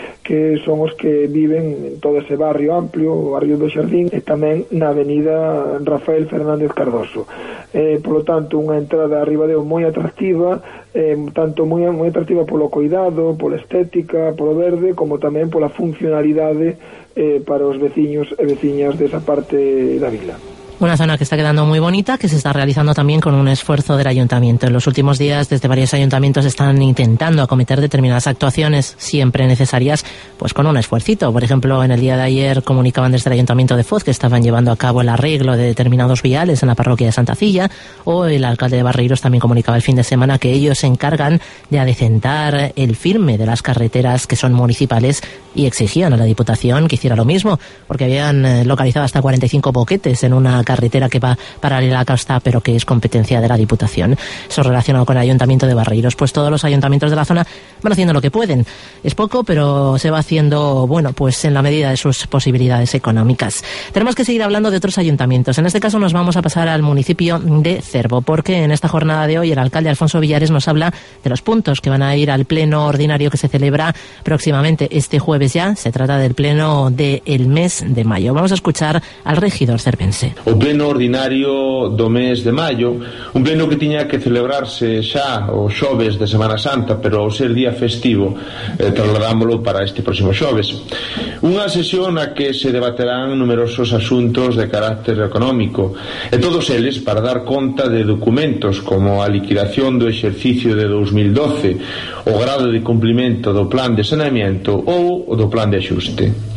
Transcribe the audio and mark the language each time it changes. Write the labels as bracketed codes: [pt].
[gl] Que son os que viven en todo ese barrio amplio, o barrio do Xardín, e tamén na avenida Rafael Fernández Cardoso. Polo tanto, unha entrada a Ribadeo moi atractiva, tanto moi, moi atractiva polo cuidado, pola estética, polo verde, como tamén pola funcionalidade para os veciños e veciñas desa parte da vila. [es] Una zona que está quedando muy bonita, que se está realizando también con un esfuerzo del ayuntamiento. En los últimos días, desde varios ayuntamientos están intentando acometer determinadas actuaciones, siempre necesarias, pues con un esfuercito. Por ejemplo, en el día de ayer comunicaban desde el ayuntamiento de Foz que estaban llevando a cabo el arreglo de determinados viales en la parroquia de Santa Cilla, o el alcalde de Barreiros también comunicaba el fin de semana que ellos se encargan de adecentar el firme de las carreteras que son municipales y exigían a la Diputación que hiciera lo mismo, porque habían localizado hasta 45 boquetes en una carretera que va paralela a Casta, pero que es competencia de la Diputación. Eso relacionado con el Ayuntamiento de Barreiros. Pues todos los ayuntamientos de la zona van haciendo lo que pueden. Es poco, pero se va haciendo, bueno, pues en la medida de sus posibilidades económicas. Tenemos que seguir hablando de otros ayuntamientos. En este caso nos vamos a pasar al municipio de Cervo, porque en esta jornada de hoy el alcalde Alfonso Villares nos habla de los puntos que van a ir al pleno ordinario que se celebra próximamente este jueves ya. Se trata del pleno del mes de mayo. Vamos a escuchar al regidor cervense. [gl] O pleno ordinario do mes de maio, un pleno que tiña que celebrarse xa o xoves de Semana Santa, pero ao ser día festivo trasladámolo para este próximo xoves. Unha sesión na que se debaterán numerosos asuntos de carácter económico, e todos eles para dar conta de documentos como a liquidación do exercicio de 2012, o grado de cumplimento do plan de saneamento ou do plan de axuste.